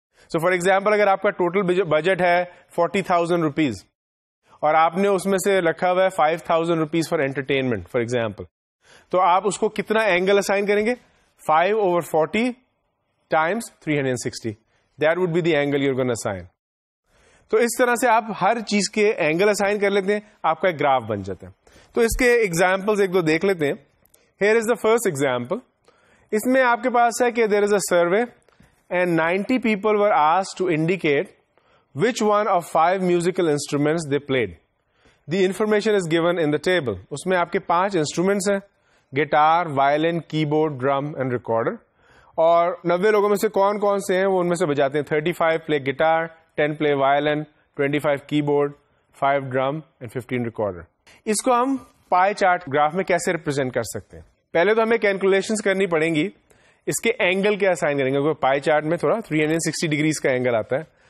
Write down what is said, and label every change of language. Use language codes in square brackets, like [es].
[ur] So for example اگر آپ کا ٹوٹل بجٹ ہے 40,000 rupees اور آپ نے اس میں سے رکھا ہوا ہے 5,000 rupees for entertainment for example, تو آپ اس کو کتنا اینگل اسائن کریں گے, 5/40 times 360, [en] that would be the angle you're going to assign. [ur] تو اس طرح سے آپ ہر چیز کے اینگل اسائن کر لیتے ہیں, آپ کا ایک گراف بن جاتا ہے. تو اس کے ایگزامپلز ایک دو دیکھ لیتے ہیں. [en] Here is the first example. [ur] اس میں آپ کے پاس ہے کہ [en] there is a survey and 90 people were asked to indicate which one of 5 musical instruments they played. The information is given in the table. [ur] اس میں آپ کے 5 instruments ہیں, [en] guitar, violin, keyboard, drum and recorder. [ur] اور 90 لوگوں میں سے کون کون سے ہیں وہ ان میں سے بجاتے ہیں, [en] 35 play guitar, 10 play violin, 25 keyboard, 5 drum and 15 recorder. [ur] اس کو ہم پائی چارٹ گراف میں کیسے ریپرزینٹ کر سکتے ہیں؟ پہلے تو ہمیں کیلکولیشنز کرنی پڑیں گی, اس کے اینگل کیا اسائن کریں گے, کیونکہ پائی چارٹ میں تھوڑا 360 ڈگریز کا اینگل آتا ہے.